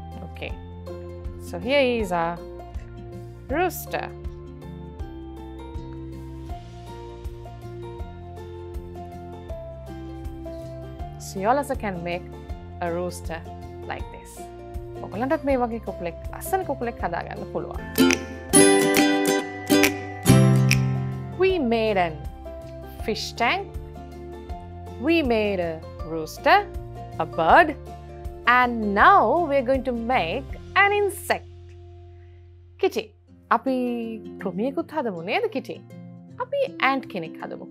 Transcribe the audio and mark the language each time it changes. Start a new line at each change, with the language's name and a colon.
English: Okay, so here is our rooster. So you all also can make a rooster like this.
Sinhala: ඔගලන්ටත් මේ වගේ කුකුලෙක් අසන කුකුලෙක් හදාගන්න පුළුවන්.
English: We made an fish tank. We made a rooster, a bird, and now we're going to make an insect.
Sinhala: Kitty, අපි කෘමියෙකුත් හදමු නේද කිටි? අපි ant කෙනෙක් හදමු.